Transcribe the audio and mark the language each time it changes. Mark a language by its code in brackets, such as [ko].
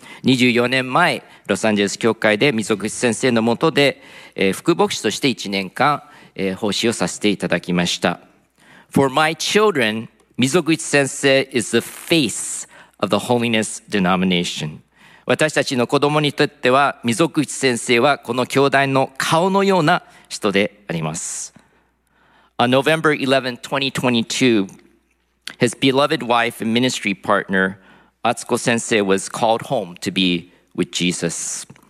[ja] 24年前、ロサンゼルス教会で溝口先生のもとで、副牧師として1年間、奉仕をさせていただきました。 [en] For my children, 溝口先生 is the face of the Holiness denomination. [ja] 私たちの子供にとっては、溝口先生はこの教団の顔のような人であります。 [en] On November 11, 2022, his beloved wife and ministry partner,Atsuko sensei was called home to be with Jesus.